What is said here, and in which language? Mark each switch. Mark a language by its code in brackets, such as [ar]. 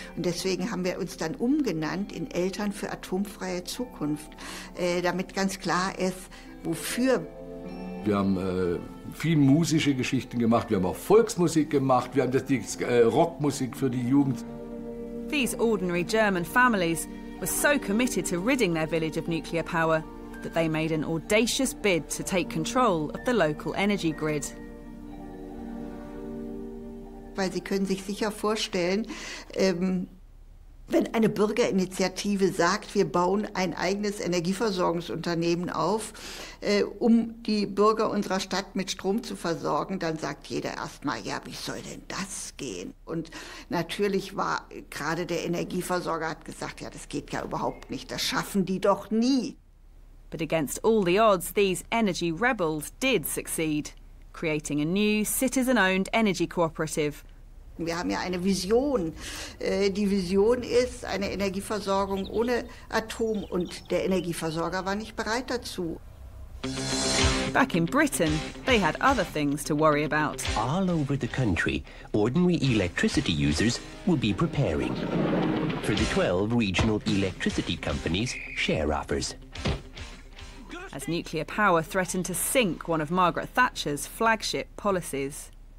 [de] Und deswegen haben wir uns dann umgenannt in Eltern für atomfreie Zukunft, damit ganz klar ist, wofür. Wir haben viel musische Geschichten gemacht, wir haben auch Volksmusik gemacht, wir haben Rockmusik für die Jugend. [en] These ordinary German families were so committed to ridding their village of nuclear power that they made an audacious bid to take control of the local energy grid. [de] Weil Sie können sich sicher vorstellen, wenn eine Bürgerinitiative sagt, wir bauen ein eigenes Energieversorgungsunternehmen auf, um die Bürger unserer Stadt mit Strom zu versorgen, dann sagt jeder erstmal, ja, wie soll denn das gehen? Und natürlich war gerade der Energieversorger hat gesagt, ja, das geht ja überhaupt nicht, das schaffen die doch nie. [en] But against all the odds, these energy rebels did succeed, creating a new citizen-owned energy cooperative. [de] Wir haben ja eine Vision. Die Vision ist eine Energieversorgung ohne Atom und der Energieversorger war nicht bereit dazu. [en] Back in Britain, they had other things to worry about. All over the country, ordinary electricity users will be preparing for the 12 regional electricity companies' share offers. As nuclear power threatened to sink one of Margaret Thatcher's flagship policies.